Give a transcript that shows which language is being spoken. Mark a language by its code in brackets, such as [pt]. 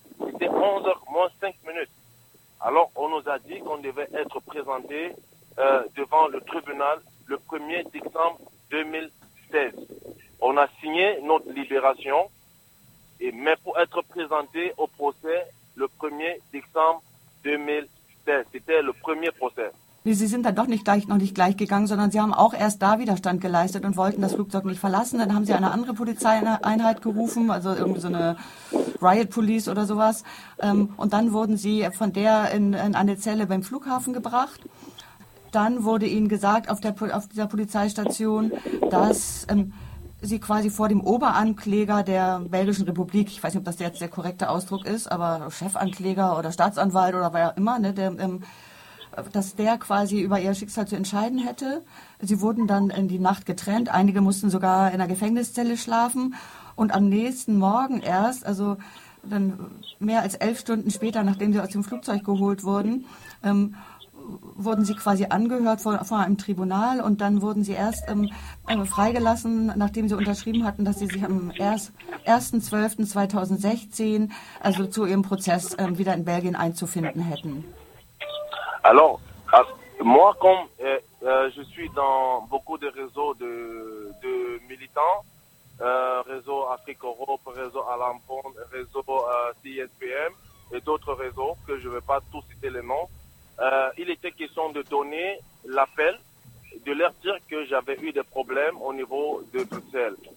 [fr] C'était 11h05. Alors, on nous a dit qu'on devait être présenté devant le tribunal le 1er décembre 2016. On a signé notre libération, mais pour être présenté au procès le 1er décembre 2016. C'était le premier procès. [de] Sie sind dann doch nicht gleich, noch nicht gleich gegangen, sondern Sie haben auch erst da Widerstand geleistet und wollten das Flugzeug nicht verlassen. Dann haben Sie eine andere Polizeieinheit gerufen, also irgendwie so eine Riot Police oder sowas. Und dann wurden Sie von der in eine Zelle beim Flughafen gebracht. Dann wurde Ihnen gesagt auf dieser Polizeistation, dass Sie quasi vor dem Oberankläger der Belgischen Republik, ich weiß nicht, ob das jetzt der korrekte Ausdruck ist, aber Chefankläger oder Staatsanwalt oder wer auch immer, ne, der dass der quasi über ihr Schicksal zu entscheiden hätte. Sie wurden dann in die Nacht getrennt. Einige mussten sogar in einer Gefängniszelle schlafen. Und am nächsten Morgen erst, also dann mehr als 11 Stunden später, nachdem sie aus dem Flugzeug geholt wurden, wurden sie quasi angehört vor einem Tribunal. Und dann wurden sie erst freigelassen, nachdem sie unterschrieben hatten, dass sie sich am 1.12.2016, also zu ihrem Prozess wieder in Belgien einzufinden hätten. [fr] Alors, moi, comme je suis dans beaucoup de réseaux de militants, réseau Afrique Europe, réseau Alampon, réseau CISPM et d'autres réseaux, que je ne vais pas tous citer les noms, il était question de donner l'appel, de leur dire que j'avais eu des problèmes au niveau de Bruxelles.